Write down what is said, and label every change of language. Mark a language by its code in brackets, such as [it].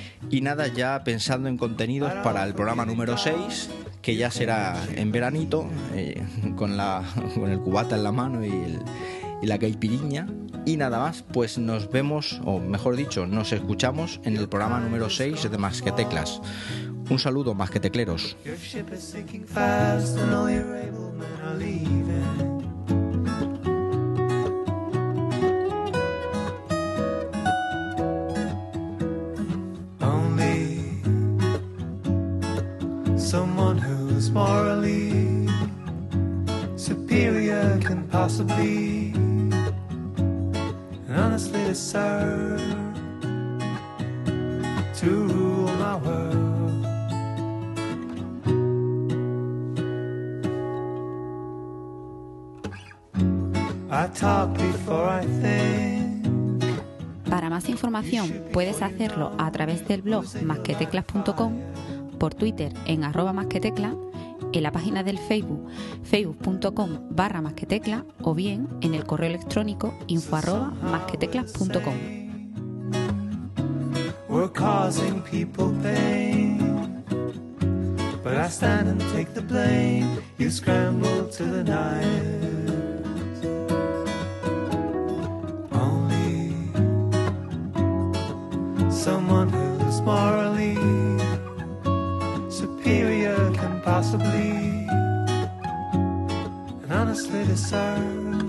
[es] Y nada, ya pensando en contenidos para el programa número 6, que ya será en veranito, con el cubata en la mano y la caipiriña. Y nada más, pues nos vemos, o mejor dicho, nos escuchamos en el programa número 6 de Más que Teclas. Un saludo, más que tecleros. [en] Your ship is sinking fast and all your able men are leaving. Only someone who's morally superior can possibly honestly deserve to rule my world. I talk before I think. [es] Para más información puedes hacerlo a través del blog masqueteclas.com, por Twitter en @masquetecla, en la página del Facebook facebook.com/masquetecla o bien en el correo electrónico info@masqueteclas.com. [en] We're causing people pain. But I stand and take the blame. You scramble to the knife. Only someone who's morally superior can possibly and honestly discern.